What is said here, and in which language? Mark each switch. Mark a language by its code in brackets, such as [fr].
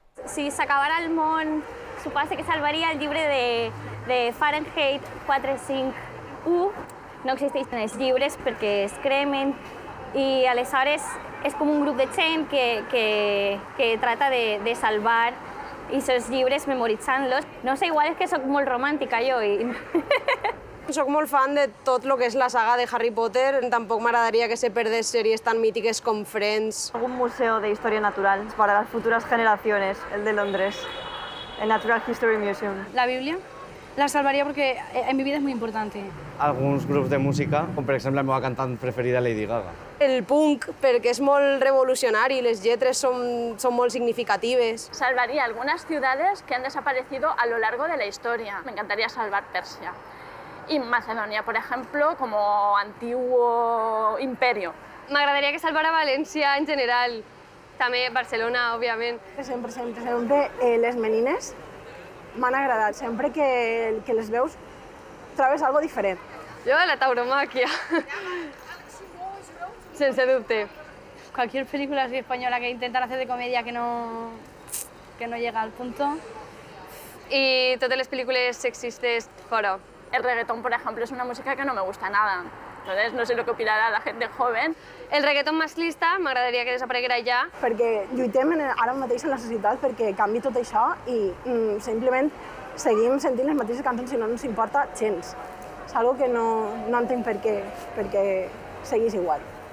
[ca] Si s'acabara el món, suposa que salvaria el llibre de Fahrenheit 451. No existeixen els llibres perquè es cremen i aleshores [es] es como un grupo de gente que trata de salvar esos libros memorizándolos. No sé, igual es que soy muy romántica yo. Y... soy muy fan de todo lo que es la saga de Harry Potter. Tampoco me agradaría que se perdiese series tan míticas como Friends. Algún museo de historia natural para las futuras generaciones, el de Londres. El Natural History Museum. La Biblia. La salvaría porque en mi vida es muy importante. [ca] Alguns grups de música, com per exemple la meva cantant preferida, Lady Gaga. El punk, perquè és molt revolucionari, les lletres són molt significatives. [es] Salvaría algunas ciudades que han desaparecido a lo largo de la historia. Me encantaría salvar Persia y Macedonia, por ejemplo, como antiguo imperio. [ca] M'agradaria que salvara València en general, també Barcelona, òbviament. Sempre les menines. M'han agradat. Sempre que les veus, trobes algo diferent. Jo, la tauromàquia. Sense dubte. [es] Cualquier película así española que intentan hacer de comedia que no llega al punto. [ca] Y totes les películes sexistes, fora. [es] El reggaetón, por ejemplo, es una música que no me gusta nada. Entonces, no sé lo que opinará la gente joven. [ca] El reggaetón masclista, m'agradaria que desapareguera ja. Perquè lluitem ara mateix en la societat perquè canvi tot això i simplement seguim sentint les mateixes cançons i no ens importa gens. És algo que no entenc perquè seguís igual.